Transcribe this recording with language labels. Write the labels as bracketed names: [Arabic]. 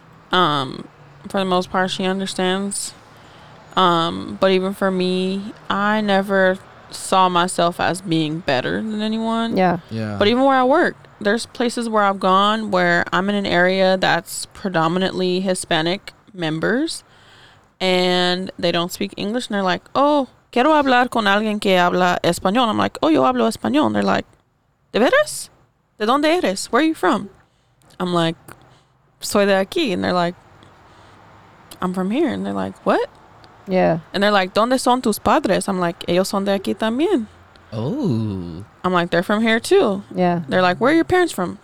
[English] For the most part, she understands. But even for me, I never saw myself as being better than anyone. Yeah. But even where I work, there's places where I've gone where I'm in an area that's predominantly Hispanic members and they don't speak English. And they're like, oh, [Spanish] quiero hablar con alguien que habla español. [English] I'm like, oh, [Spanish] yo hablo español. [English] And they're like, [Spanish] ¿de veras? ¿De dónde eres? [English] Where are you from? I'm like, [Spanish] soy de aquí. [English] And they're like, I'm from here. And they're like, what? Yeah. And they're like, [Spanish] ¿dónde son tus padres? [English] I'm like, [Spanish] ellos son de aquí también. [English] Oh. I'm like, they're from here too. Yeah. They're like, where are your parents from?